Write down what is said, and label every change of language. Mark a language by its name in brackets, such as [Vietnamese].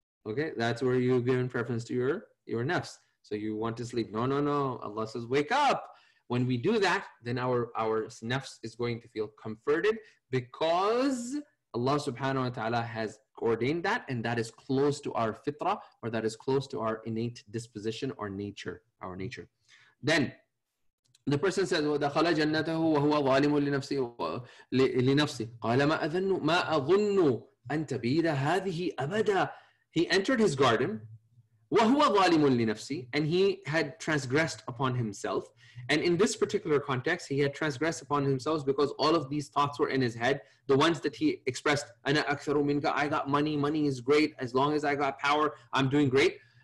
[English] Okay, that's where you've given preference to your nafs. So you want to sleep. No. Allah says, wake up. When we do that, then our nafs is going to feel comforted because Allah subhanahu wa ta'ala has ordained that, and that is close to our fitrah, or that is close to our innate disposition or our nature. [Arabic] Then the person says, وَدَخَلَ جَنَّتَهُ وَهُوَ ظَالِمٌ لِنَفْسِهِ قَالَ مَا أَظُنُّ أَن تَبِيدَ هَذِهِ أَبَدًا. [English] He entered his garden, [Arabic] وَهُوَ ظَالِمٌ لِنَفْسِهِ, [English] and he had transgressed upon himself. And in this particular context, he had transgressed upon himself because all of these thoughts were in his head. The ones that he expressed, [Arabic] أَنَا أَكْثَرُ مِنْكَ, [English] I got money, money is great, as long as I got power, I'm doing great.